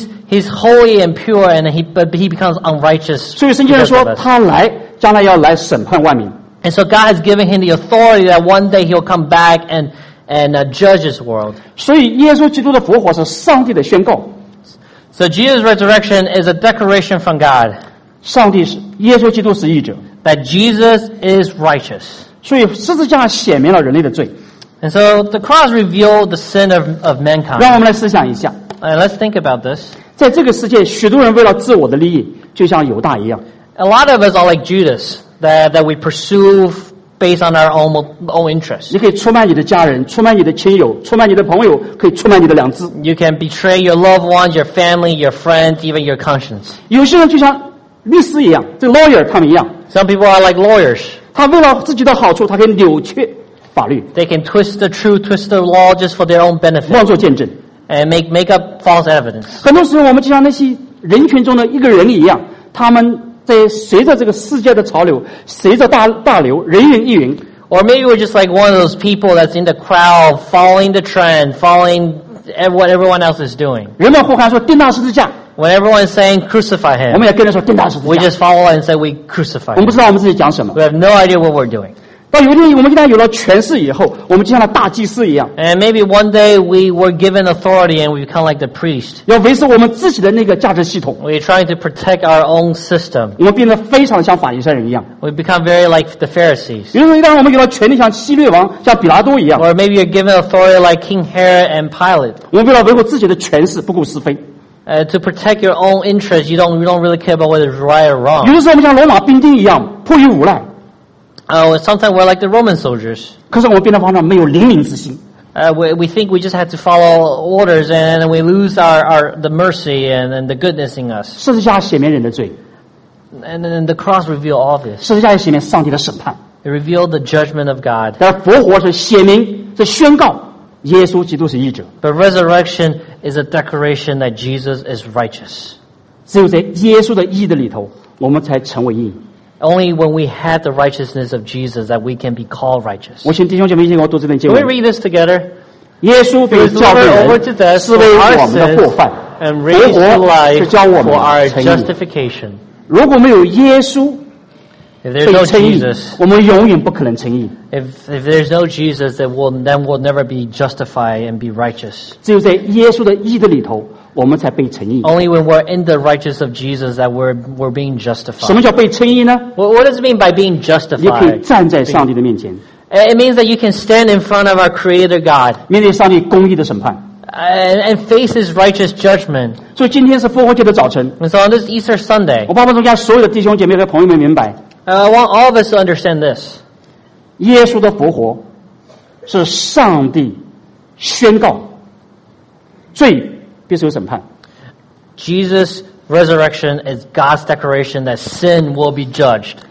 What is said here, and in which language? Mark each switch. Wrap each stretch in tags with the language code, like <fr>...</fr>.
<en>He's holy and pure, and he becomes unrighteous.</en> <zh>所以圣经说他来，将来要来审判万民。</zh> <en>And so God has given him the authority that one day he'll come back and judge this world.</en> <zh>所以耶稣基督的复活是上帝的宣告。</zh> <en>So Jesus' resurrection is a declaration from God.</en> <zh>上帝是耶稣基督是义者。</zh> <en>That Jesus is righteous.</en> <zh>所以十字架显明了人类的罪。</zh> <en>And so the cross revealed the sin of mankind.</en> <zh>让我们来思想一下。</zh> <en>Let's think about this.</en> <zh>在这个世界，许多人为了自我的利益，就像犹大一样。</zh> <en>A lot of us are like Judas, that we pursue based on our own interests.</en> <zh>你可以出卖你的家人，出卖你的亲友，出卖你的朋友，可以出卖你的良知。</zh> <en>You can betray your loved ones, your family, your friends, even your conscience.</en> <zh>有些人就像律师一样，这 lawyer 他们一样。</zh> <en>Some people are like lawyers.</en> <zh>他为了自己的好处，他可以扭曲。</zh> <en>They can twist the truth, twist the law just for their own benefit.</en> <zh>妄作见证</zh> <en>and make up false evidence.</en> <zh>很多时候，我们就像那些人群中的一个人一样，他们在随着这个世界的潮流，随着大流，人云亦云。</zh> <en>Or maybe we're just like one of those people that's in the crowd, following the trend, following what everyone else is doing.</en> <zh>人们呼喊说：“钉他十字架！”</zh> <en>When everyone is saying, "Crucify him,"</en> <zh>我们也跟人说：“钉他十字架！”</zh> <en>We just follow and say, "We crucify him."</en> <zh>我们不知道我们自己讲什么。</zh> <en>We have no idea what we're doing.</en> <zh>到有一天，我们一旦有了权势以后，我们就像那大祭司一样。</zh> <en>And maybe one day we were given authority and we become like the priest.</en> <zh>要维持我们自己的那个价值系统。</zh> <en>We're trying to protect our own system.</en> <zh>我们变得非常像法利赛人一样。</zh> <en>We become very like the Pharisees.</en> <zh>比如说，一旦我们有了权力，像希律王、像比拉多一样。</zh> <en>Or maybe you're given authority like King Herod and Pilate.</en> <zh>我们为了维护自己的权势，不顾是非。</zh> <en>To protect your own interest, you don't really care about whether it's right or wrong.</en> <zh>有的时候，我们像罗马兵丁一样，迫于无奈。</zh> <en>Sometimes we're like the Roman soldiers.</en> <zh>可是我们变得方丈没有灵敏之心。</zh> <en>We think we just have to follow orders, and we lose our the mercy and the goodness in us.</en> <zh>十字架显明人的罪。</zh> <en>And then the cross revealed all this.</en> <zh>十字架显明上帝的审判。</zh> <en>It revealed the judgment of God.</en> <zh>但复活是显明，是宣告耶稣基督是义者。</zh> <en>But resurrection is a declaration that Jesus is righteous.</en> <zh>只有在耶稣的义的里头，我们才成为义。</zh> <en>Only when we have the righteousness of Jesus that we can be called righteous.</en> <zh>我请弟兄姐妹一起给我读这段经文。</zh> <en>Can we read this together?</en> <zh>耶稣被叫的人是为我们的过犯，复活是教我们称义。如果没有耶稣被称义，我们永远不可能称义。</zh> <en>If there's no Jesus, then we'll never be justified and be righteous.</en> <zh>只有在耶稣的义的里头。我们才被称义。</zh> <en>Only when we're in the righteousness of Jesus that we're being justified.</en> <zh>什么叫被称义呢</zh> <en>？What does it mean by being justified?</en> <zh>你可以站在上帝的面前。</zh> <en>It means that you can stand in front of our Creator God.</en> <zh>面对上帝公义的审判。</zh> <en>And face His righteous judgment.</en> <zh>所以今天是复活节的早晨。</zh> <en>And so on this Easter Sunday,</en> <zh>我盼望大家所有的弟兄姐妹和朋友们明白。</zh> <en>I want all of us to understand this.</en> <zh>耶稣的复活是上帝宣告罪必须有审判。</zh> <en>Jesus' resurrection is God's declaration that sin will be judged.</en>